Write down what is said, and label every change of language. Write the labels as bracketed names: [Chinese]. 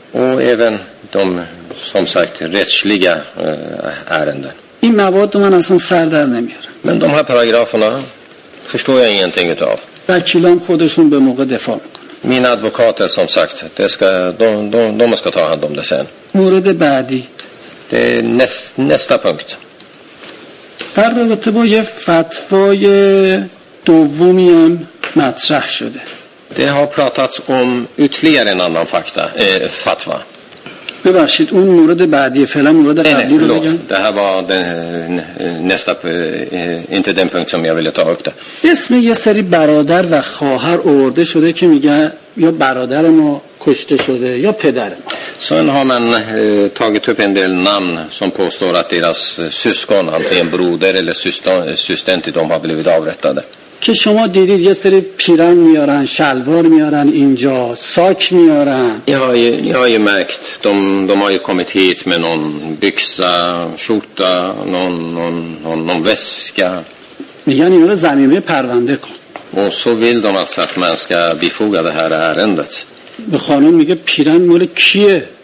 [Swedish] och även de som sagt rättsliga ärenden. [Persian] این مواد من اصلا سر در نمیارم. [Swedish] Men de här paragraferna förstår jag ingenting utav. [Persian] وکیلان خودشون به موقع دفاع میکنن. [Swedish] Mina advokater som sagt, de ska ta hand om det sen. [Persian] مورد بعدی. [Swedish] Det är nästa punkt. [Persian] در رابطه با یه فتوای دومی هم مطرح شده. [Swedish] Det har pratats om ytterligare en annan fakta, fatwa. [Persian] ببخشید اون مورد بعدی فعلا مورد قبلی رو بگم. [Swedish] Det här var den nästa inte den punkt som jag ville ta upp. [Persian] اسم یه سری برادر و خواهر آورده شده که میگن یا برادر ما کشته شده یا پدر ما. [Swedish] Sen har man tagit upp en del namn som påstår att deras syskon antingen broder eller syster till dem har blivit avrättade. [Persian] که شما دیدید یه سری پیرن میارن شلوار میارن اینجا ساک میارن [Swedish] یا مکت de har ju kommit hit med någon byxa skjorta någon väska [Persian] میگن اینو زمینه پرونده کن [Swedish] و så vill de alltså att man ska bifoga det här ärendet [Persian] به خانم میگه پیرن مال کیه